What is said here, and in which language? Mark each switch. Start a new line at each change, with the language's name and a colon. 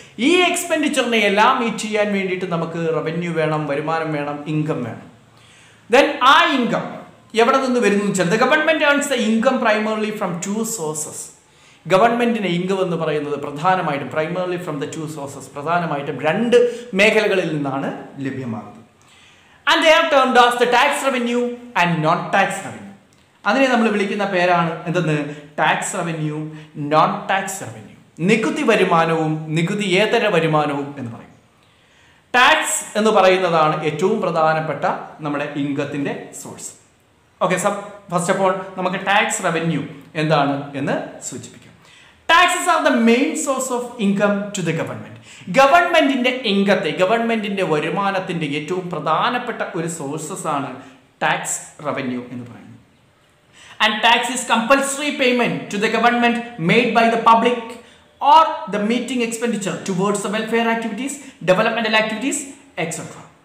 Malayalam: ഈ എക്സ്പെൻഡിച്ചറിനെ എല്ലാം മീറ്റ് ചെയ്യാൻ വേണ്ടിയിട്ട് നമുക്ക് റവന്യൂ വേണം, വരുമാനം വേണം, ഇൻകം വേണം.
English: then
Malayalam: ആ ഇൻകം എവിടെ നിന്ന് വരുന്നു വെച്ചാൽ,
English: The government earns the income primarily from two sources.
Malayalam: ഗവൺമെൻറ്റിന് ഇൻകം എന്ന് പറയുന്നത് പ്രധാനമായിട്ടും
English: primarily from the two sources,
Malayalam: പ്രധാനമായിട്ടും രണ്ട് മേഖലകളിൽ നിന്നാണ് ലഭ്യമാകുന്നത്.
English: And they are termed as the tax revenue and non-tax revenue.
Malayalam: അതിനെ നമ്മൾ വിളിക്കുന്ന പേരാണ് എന്തെന്ന്, tax revenue, non-tax revenue. നികുതി വരുമാനവും നികുതിയേതര വരുമാനവും എന്ന് പറയും. tax എന്ന് പറയുന്നതാണ് ഏറ്റവും പ്രധാനപ്പെട്ട നമ്മുടെ ഇൻകത്തിൻ്റെ source. Okay, sub
English: first of all
Malayalam: നമുക്ക് tax revenue എന്താണ് എന്ന് സൂചിപ്പിക്കാം.
English: taxes are the main source of income to the government.
Malayalam: ഗവൺമെൻറ്റിൻ്റെ ഇൻകത്തെ, ഗവൺമെൻറ്റിൻ്റെ വരുമാനത്തിൻ്റെ ഏറ്റവും പ്രധാനപ്പെട്ട ഒരു സോഴ്സസാണ് ടാക്സ് റവന്യൂ എന്ന് പറയുന്നത്.
English: And tax is compulsory payment to the government made by the public or the meeting expenditure towards the welfare activities, developmental activities etcetera.